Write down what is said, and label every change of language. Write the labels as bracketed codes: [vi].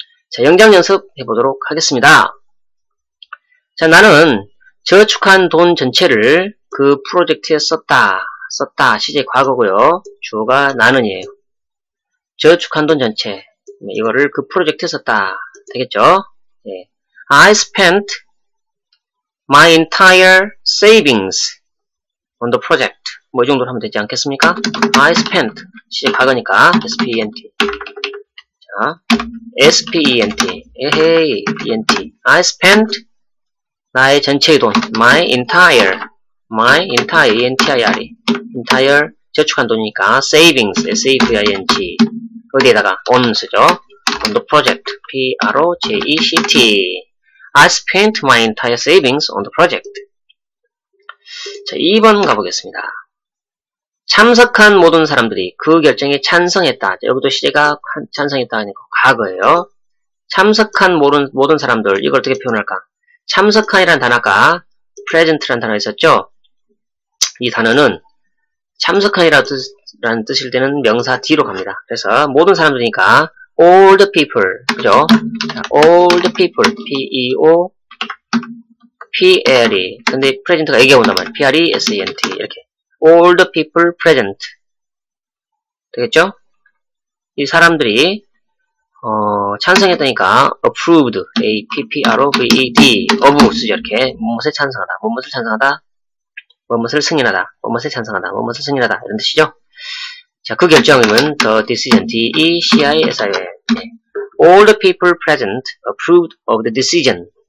[ko] 자, 영장 연습 해보도록 하겠습니다. 자, 나는 저축한 돈 전체를 그 프로젝트에 썼다. 썼다 시제 과거고요. 주어가 나는이에요. 저축한 돈 전체 이거를 그 프로젝트에 썼다 되겠죠. 예. [en] I spent my entire savings on the project. [ko] 뭐 이 정도로 하면 되지 않겠습니까? [en] I spent [ko] 시제 과거니까 [en] S-P-E-N-T. 자, S-P-E-N-T. 에헤이, P-E-N-T. I spent [ko] 나의 전체의 돈, [en] my entire, entire, entire [ko] 저축한 돈이니까 [en] savings, saving, [ko] 어디에다가 [en] on 쓰죠? on the project, project. I spent my entire savings on the project. [ko] 자, 2번 가보겠습니다. 참석한 모든 사람들이 그 결정에 찬성했다. 자, 여기도 시제가 찬성했다 하니까 과거예요. 참석한 모든 사람들, 이걸 어떻게 표현할까? 참석한이라는 단어가 present라는 단어가 있었죠? 이 단어는 참석한이라는 뜻일 때는 명사 뒤로 갑니다. 그래서 모든 사람들이니까 [en] all the people, [ko] 그죠? [en] all the people, P-E-O, P-L-E. [ko] 근데 present가 얘기해 본단 말이에요. P-R-E-S-E-N-T. 이렇게. [en] all the people present. [ko] 되겠죠? 이 사람들이 찬성했다니까 approved, A-P-P-R-O-V-E-D, of 쓰죠. 이렇게 무엇에 찬성하다, 무엇을 찬성하다, 무엇을 승인하다, 무엇에 찬성하다, 무엇을 승인하다 이런 뜻이죠. 자, 그 결정은 [en] the decision, [ko] D-E-C-I-S-I-N. [en] All the people present approved of the decision.